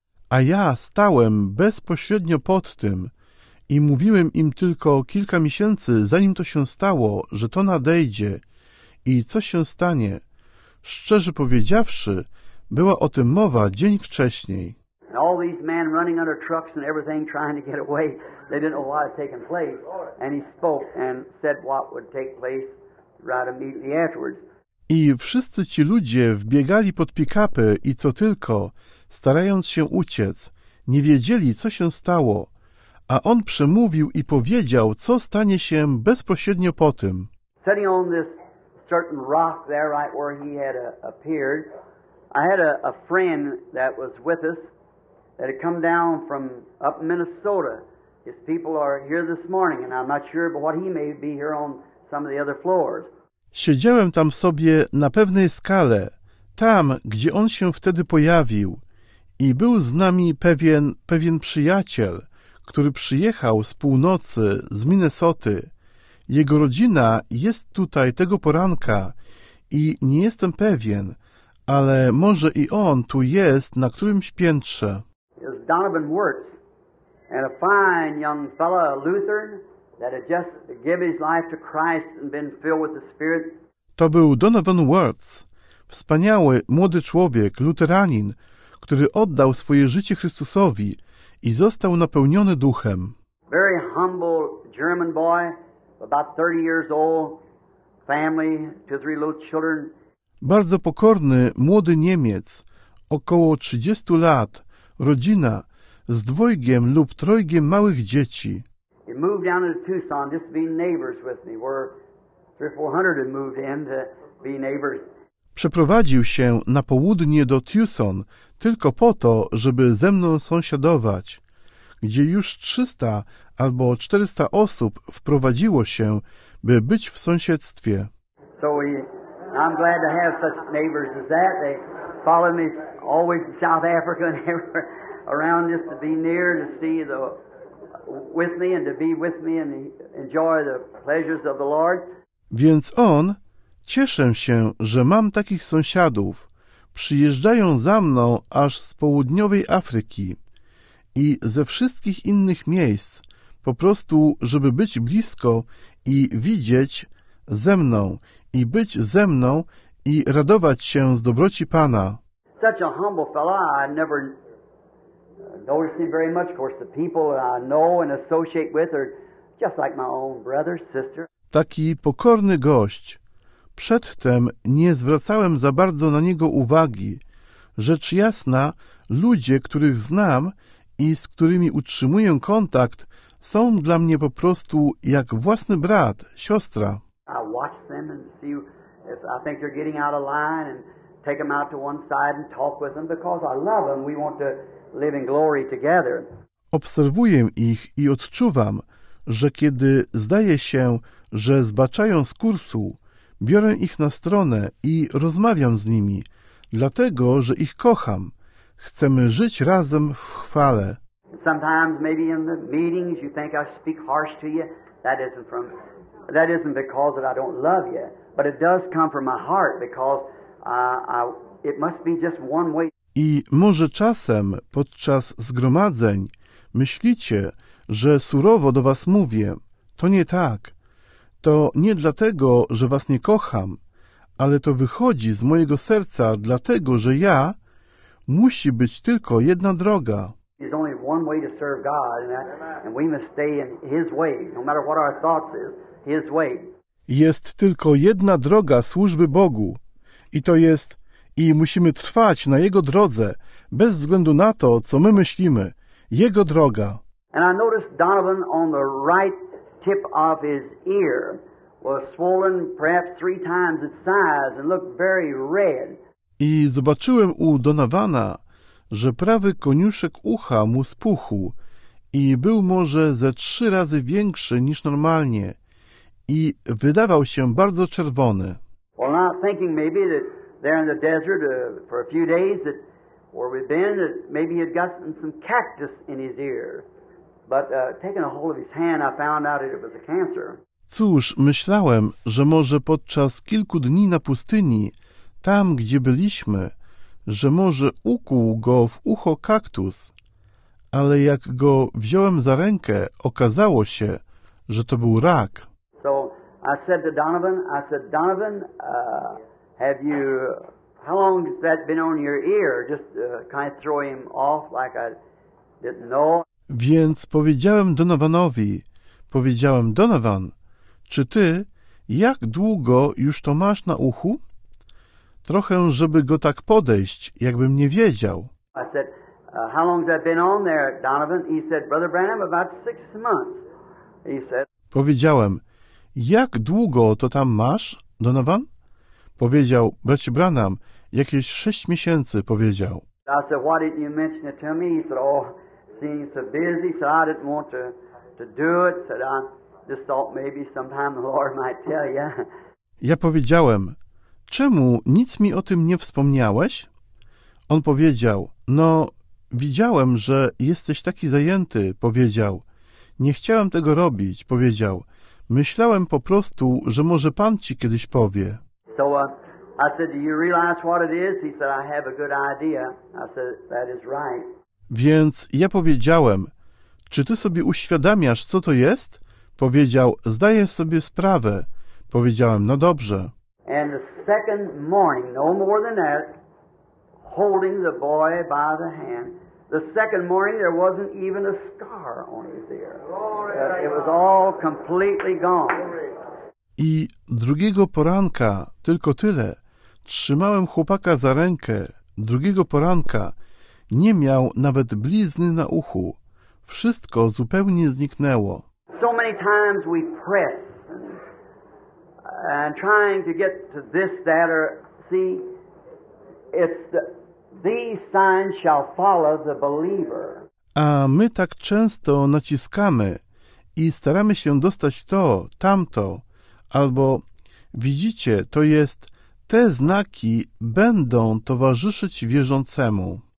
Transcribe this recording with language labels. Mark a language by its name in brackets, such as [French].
[Polish] A ja stałem bezpośrednio pod tym i mówiłem im tylko kilka miesięcy, zanim to się stało, że to nadejdzie i co się stanie. Szczerze powiedziawszy, była o tym mowa dzień wcześniej. [English] All these men running under trucks and everything trying to get away, they didn't know what had taken place. And he spoke and said what would take place right immediately afterwards. [Polish] I wszyscy ci ludzie wbiegali pod pick-upy i co tylko, starając się uciec, nie wiedzieli, co się stało. A on przemówił i powiedział, co stanie się bezpośrednio po tym. [English] Sitting on this certain rock there right where he had appeared, I had a friend that was with us. That had come down from up Minnesota. His people are here this morning, and I'm not sure, but what he may be here on some of the other floors. [Polish] Siedziałem tam sobie na pewnej skale, tam, gdzie on się wtedy pojawił, i był z nami pewien przyjaciel, który przyjechał z północy, z Minnesoty. Jego rodzina jest tutaj tego poranka, i nie jestem pewien, ale może i on tu jest na którymś piętrze. [English] Donovan Wirtz, and a fine young fellow, a Lutheran, that had just given his life to Christ and been filled with the Spirit. [Polish] To był Donovan Wirtz, wspaniały młody człowiek, luteranin, który oddał swoje życie Chrystusowi i został napełniony Duchem. [English] Very humble German boy, about 30 years old, family, two, three little children. [Polish] Bardzo pokorny młody Niemiec, około 30 lat. Rodzina z dwojgiem lub trojgiem małych dzieci. [English] He moved down to Tucson just to be neighbors with me. We're 300-400 and moved in to be neighbors. [Polish] Przeprowadził się na południe do Tucson tylko po to, żeby ze mną sąsiadować, gdzie już 300 albo 400 osób wprowadziło się, by być w sąsiedztwie. [English] So I'm glad to have such neighbors as that. They follow me. Always in South Africa and around just to be near, to see the with me and to be with me and enjoy the pleasures of the Lord. [Polish] Więc on, cieszę się, że mam takich sąsiadów, przyjeżdżają za mną aż z południowej Afryki i ze wszystkich innych miejsc, po prostu, żeby być blisko i widzieć ze mną i być ze mną i radować się z dobroci Pana. [English] Such a humble fellow, I never noticed him very much. Of course, the people that I know and associate with are just like my own brother, sister. [Polish] Taki pokorny gość. Przedtem nie zwracałem za bardzo na niego uwagi. Rzecz jasna, ludzie, których znam i z którymi utrzymuję kontakt, są dla mnie po prostu jak własny brat, siostra. [English] I watch them and see if I think they're getting out of line and take them out to one side and talk with them because I love them. We want to live in glory together. [Polish] Obserwuję ich i odczuwam, że kiedy zdaje się, że zbaczają z kursu, biorę ich na stronę i rozmawiam z nimi, dlatego że ich kocham. Chcemy żyć razem w chwale. [English] Sometimes maybe in the meetings you think I speak harsh to you. That isn't because that I don't love you, but it does come from my heart because it must be just one way. [Polish] I może czasem podczas zgromadzeń myślicie, że surowo do was mówię. To nie tak. To nie dlatego, że was nie kocham, ale to wychodzi z mojego serca, dlatego że ja musi być tylko jedna droga. [English] There's only one way to serve God, and we must stay in His way, no matter what our thoughts is, His way. [Polish] Jest tylko jedna droga służby Bogu. I to jest, i musimy trwać na Jego drodze, bez względu na to, co my myślimy. Jego droga. [English] And I noticed Donovan on the right tip of his ear was swollen perhaps three times its size and looked very red. [Polish] I zobaczyłem u Donovana, że prawy koniuszek ucha mu spuchł i był może ze trzy razy większy niż normalnie i wydawał się bardzo czerwony. [English] Well, not thinking maybe that there in the desert for a few days that where we've been, that maybe he had gotten some cactus in his ear. But taking a hold of his hand, I found out that it was a cancer. [Polish] Cóż, myślałem, że może podczas kilku dni na pustyni, tam gdzie byliśmy, że może ukuł go w ucho kaktus, ale jak go wziąłem za rękę, okazało się, że to był rak. [English] So I said to Donovan, have you, how long has that been on your ear? Just kind of throw him off like I didn't know. [Polish] Więc powiedziałem Donovanowi, Donovan, czy ty, jak długo już to masz na uchu? Trochę, żeby go tak podejść, jakbym nie wiedział. [English] I said, how long's that been on there, Donovan? He said, Brother Branham, about 6 months. He said. [Polish] Powiedziałem, jak długo to tam masz, Donovan? Powiedział, bracie Branham, jakieś 6 miesięcy, powiedział. [English] I said, why didn't you mention it to me? He said, oh, seeing so busy, so I didn't want to do it. Said, I just thought maybe sometime the Lord might tell you. [Polish] Ja powiedziałem, czemu nic mi o tym nie wspomniałeś? On powiedział, no, widziałem, że jesteś taki zajęty, powiedział. Nie chciałem tego robić, powiedział. Myślałem po prostu, że może Pan ci kiedyś powie. [English] So, I said, do you realize what it is? He said, I have a good idea. I said, that is right. [Polish] Więc ja powiedziałem, czy ty sobie uświadamiasz, co to jest? Powiedział, zdaję sobie sprawę. Powiedziałem, no dobrze. [English] And the second morning, no more than that, holding the boy by the hand, the second morning there wasn't even a scar on his ear. It was all completely gone. [Polish] I drugiego poranka, tylko tyle, trzymałem chłopaka za rękę, drugiego poranka, nie miał nawet blizny na uchu. Wszystko zupełnie zniknęło. [English] So many times we press. And trying to get to this, that, or see, it's these signs shall follow the believer. [Polish] A my tak często naciskamy i staramy się dostać to, tamto, albo widzicie, to jest, te znaki będą towarzyszyć wierzącemu.